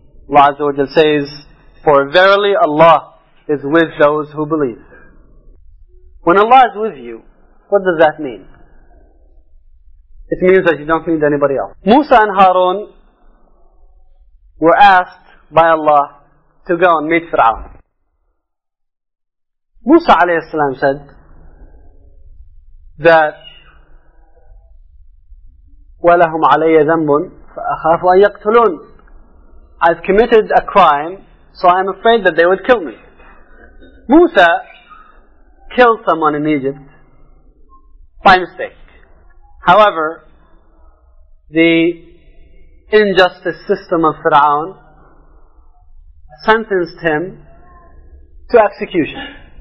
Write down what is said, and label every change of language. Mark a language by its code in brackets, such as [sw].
[en] Allah Azza wa Jalla says, for verily Allah is with those who believe. When Allah is with you, what does that mean? It means that you don't need anybody else. Musa and Harun were asked by Allah to go and meet Fir'aun. Musa alayhi salam said that [ar] وَلَهُمْ عَلَيَّ ذَنْبٌ فَأَخَافُ أَنْ يَقْتُلُونَ. [en] I've committed a crime, so I'm afraid that they would kill me. Musa killed someone in Egypt by mistake. However, the injustice system of Fir'aun sentenced him to execution.